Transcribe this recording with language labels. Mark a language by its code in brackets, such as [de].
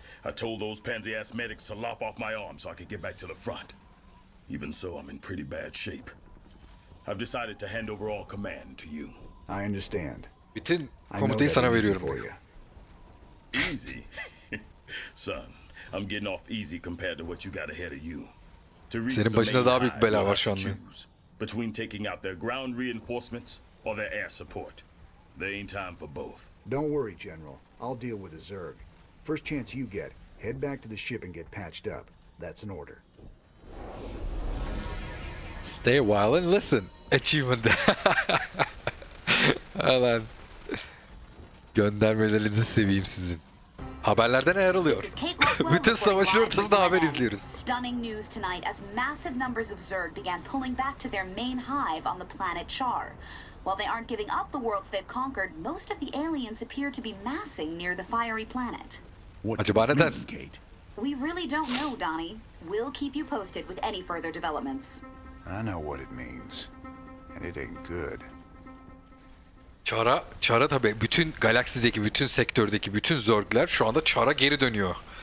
[en] I told those pansy ass medics to lop off my arm so I could get back to the front. Even so, I'm in pretty bad shape. I've decided to hand over all command to you. I understand. [tr] Bütün komutayı sana veriyorum. [en] Easy. Son, I'm getting off easy compared to what you got ahead of you. [tr] Senin başında daha büyük bela var şu anda. [en] Between taking out their ground reinforcements or their air support. There ain't time for both. Don't worry, General. I'll deal with the Zerg. First chance you get, head back to the ship and get patched up. That's an order. Stay a while and listen. Achievement. [tr] Alan. Göndermelerinizi seveyim sizin. Haberlerden neler oluyor? Bütün savaşın ortasında haber izliyoruz. [en] Stunning news tonight as massive numbers of Zerg began pulling back to their main hive on the planet Char. While they aren't giving up the worlds they've conquered, most of the aliens appear to be massing near the fiery planet. [tr] Acaba neden? [en] We really don't know, Donnie. We'll keep you posted with any further developments. I know what it means, and it ain't good. [tr] Çara tabii bütün galaksideki, bütün sektördeki, bütün zorgler şu anda Çara geri dönüyor.